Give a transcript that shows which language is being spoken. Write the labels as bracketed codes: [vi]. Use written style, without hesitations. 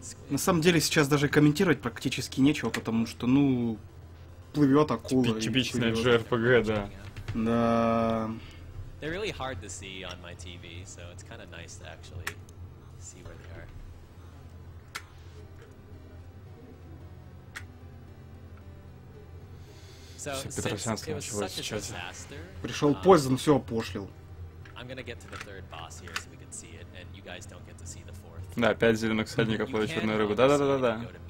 [ru] На самом деле сейчас даже комментировать практически нечего, потому что, ну, плывет акула. Типичная JRPG, да. Да. [en] They're really hard to see on my TV, so it's kind of nice to actually see where they are. [ru] Все, Петросянский начал сейчас. Пришел поздно, все опошлил. [en] I'm gonna get to the third boss here, so we can see it, and you guys don't get to see the fourth. [ru] Да, пять зеленых всадников ловит черную рыбу. Да.